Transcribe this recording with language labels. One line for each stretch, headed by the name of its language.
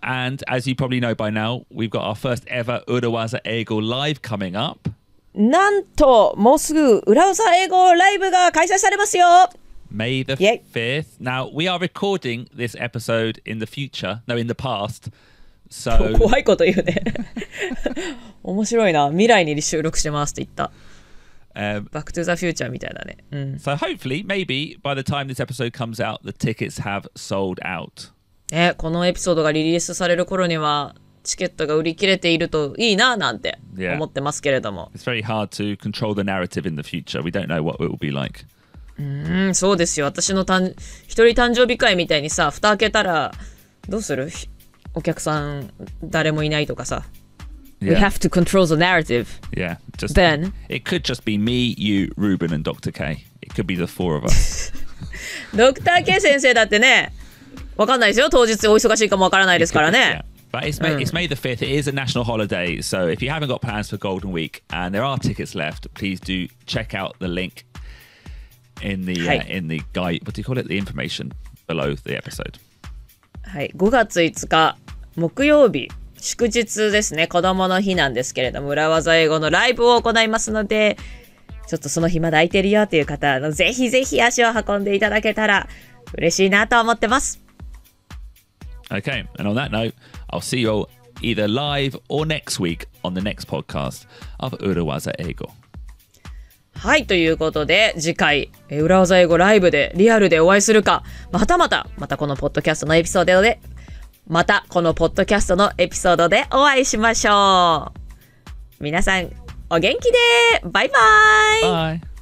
English: And as you probably know by now, we've got our first ever 裏技英語 live coming up.
Japanese: なんと、もうすぐ裏技英語 live が開催されますよ。
English: May the 5th. Now, we are recording this episode in the future. No, in the past. So...
Japanese: 怖いこと言うね。面白いな。未来に収録してますって言った。 Back to the future みたいなね、うん、
English: So hopefully, maybe by the time this episode comes out, the tickets have sold out、
Japanese: このエピソードがリリースされる頃にはチケットが売り切れているといいななんて思ってますけれども、
English: yeah. It's very hard to control the narrative in the future. We don't know what it will be like、
Japanese: うん、そうですよ。私の一人誕生日会みたいにさ、蓋開けたらどうする？お客さん誰もいないとかさ。
English: Yeah. We have to control the narrative. Yeah. Just, then. It could just be me, you, Ruben, and Dr. K. It could be the four of us. Dr.
Japanese: K 先生だってね、わかんないですよ。当日お忙しいかもわからないですからね。
English: Yeah. But it's May the 5th. It is a national holiday. So if you haven't got plans for Golden Week and there are tickets left, please do check out the link in the,、はい、in the guide. What do you call it? The information below the episode.
Japanese: はい。5月5日、木曜日。祝日ですね。子供の日なんですけれども、裏技英語のライブを行いますので、ちょっとその日まだ空いてるよという方のぜひぜひ足を運んでいただけたら嬉しいなと思ってます。
English: Okay, and on that note, I'll see you all either live or next week on the next podcast of 裏技英語。
Japanese: はい、ということで次回裏技英語ライブでリアルでお会いするか、またまたまたこのポッドキャストのエピソードで。またこのポッドキャストのエピソードでお会いしましょう。皆さんお元気で、バイバイ。